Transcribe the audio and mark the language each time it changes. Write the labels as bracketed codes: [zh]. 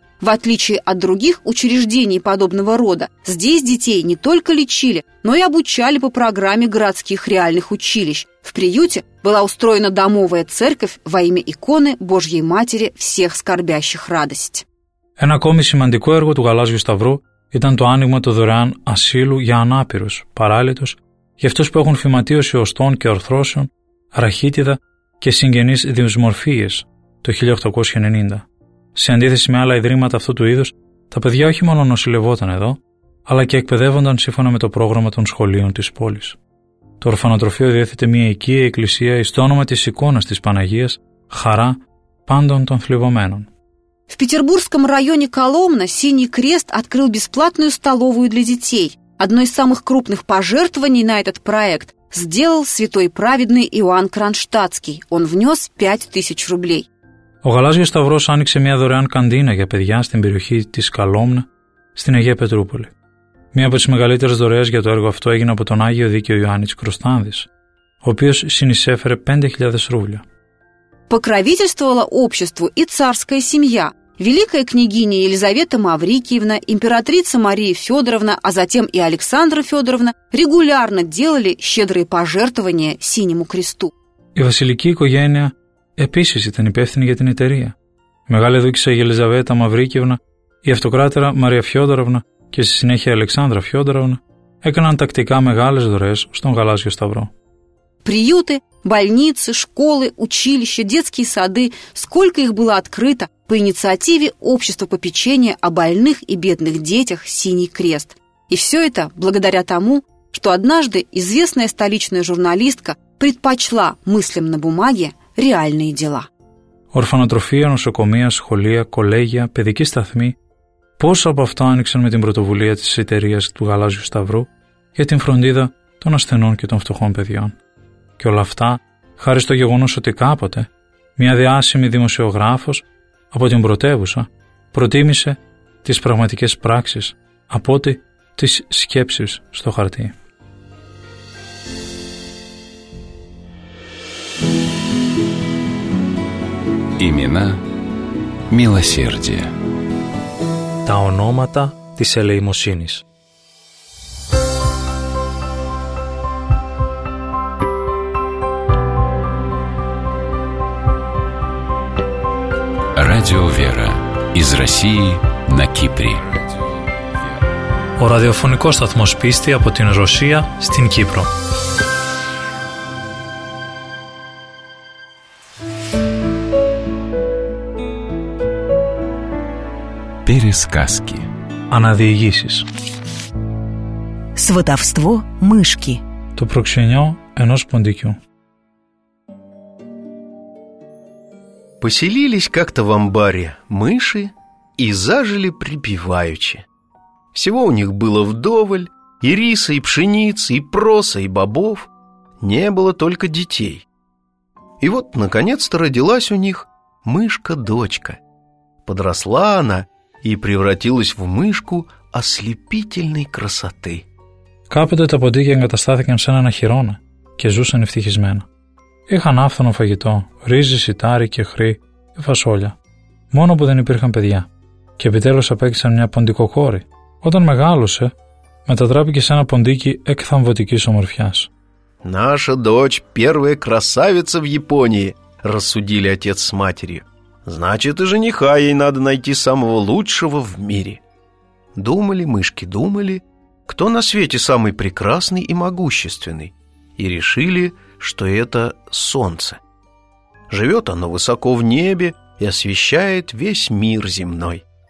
[ru] В отличие от других учреждений подобного рода, здесь детей не только лечили, но и обучали по программе городских реальных училищ. В приюте была устроена домовая церковь во имя иконы Божьей Матери всех скорбящих радость. [el] Ένα ακόμη σημαντικό έργο του Γαλάζιου Σταυρού ήταν το άνοιγμα του δωρεάν ασύλου για ανάπηρους, παράλυτους, για αυτούς που έχουν φυματίωση οστών και ορθρώσεων, ραχίτιδα και συγγενείς δυσμορφίες το 1890. Σε αντίθεση με άλλα ιδρύματα αυτού του είδους, τα παιδιά όχι μόνο νοσηλευόταν εδώ, αλλά και εκπαιδεύονταν σύμφωνα με το πρόγραμμα των σχολείων της πόλης. Το ορφανοτροφείο διέθετε μια οικία εκκλησία εις το όνομα της εικόνας της Παναγίας, χαρά πάντων των θλιβωμένων. [ru] В петербургском районе Коломна Синий Крест открыл бесплатную столовую для детей. Одно из самых крупных пожертвований на этот проект сделал святой праведный Иоанн Кронштадтский. Он внес 5000 рублей. [el] Ο Γαλάζιος Σταυρός άνοιξε μια δωρεάν καντίνα για παιδιά στην περιοχή της Καλόμνα, στην Αγία Πετρούπολη. Μία από τις μεγαλύτερες δωρεές για το έργο αυτό έγινε από τον Άγιο Δίκαιο Ιωάννη Κροστάνδης, ο οποίος συνεισέφερε 5.000 ρούβλια. [ru] Покровительствовала обществу и царская семья. Великая княгиня Елизавета Маврикиевна, императрица Мария Федоровна, а затем и Александра Федоровна регулярно делали щедрые пожертвования Синему Кресту. И Василики Кояня [el] Επίσης ήταν υπεύθυνη για την εταιρεία. Μεγάλη δούκισσα η Ελιζαβέτα Μαυρίκευνα Η αυτοκράτορα Μαρία Φιόδωροβνα και στη συνέχεια Αλεξάνδρα Φιόδωροβνα έκαναν τακτικά μεγάλες δωρές στον Γαλάζιο Σταυρό. [ru] Приюты, больницы, школы, училища, детские сады, сколько их было открыто по инициативе Общества попечения о больных и бедных детях «Синий крест». И все это благодаря тому, что однажды известная столичная журналистка предпочла мыслям на бумаге реальные дела. [el] Орфанотрофия, нусокомия, сколия, коллегия, педики сталми. Πόσα από αυτά άνοιξαν με την πρωτοβουλία της εταιρείας του Γαλάζιου Σταυρού για την φροντίδα των ασθενών και των φτωχών παιδιών. Και όλα αυτά χάρη στο γεγονός ότι κάποτε μια διάσημη δημοσιογράφος από την πρωτεύουσα προτίμησε τις πραγματικές πράξεις από ότι τις σκέψεις στο χαρτί. [ru] Ημινά μιλοσέρδια. [el] Τα ονόματα της ελεημοσύνης. [ru] Радио Вера из России на Кипре. [el] Ο ραδιοφωνικός σταθμός πίστη από την Ρωσία στην Κύπρο. [ru] Пересказки. [el] Αναδιηγήσεις. [ru] Сватовство мышки. [el] Το προξενιό ενός ποντικού. [ru] Поселились как-то в амбаре мыши и зажили припеваючи. Всего у них было вдоволь, и риса, и пшеницы, и проса, и бобов. Не было только детей. И вот, наконец-то, родилась у них мышка-дочка. Подросла она и превратилась в мышку ослепительной красоты. [el] Κάποτε τα ποντίκια εγκαταστάθηκαν σε έναν αχυρώνα και ζούσαν ευτυχισμένα. Είχαν άφθονο φαγητό, ρύζι, σιτάρι, κεχρί και φασόλια. Μόνο που δεν υπήρχαν παιδιά. Και επιτέλους απέκτησαν μια ποντικό κόρη. Όταν μεγάλωσε, μετατράπηκε σε ένα ποντίκι εκθαμβωτικής ομορφιάς. [ru] «Наша дочь первая красавица в Японии», рассудили отец с матерью. «Значит, и жениха ей надо найти самого лучшего в мире». Думали мышки, думали, кто на свете самый прекрасный и могущественный. И решили, что это солнце. Живет оно высоко в небе и освещает весь мир земной.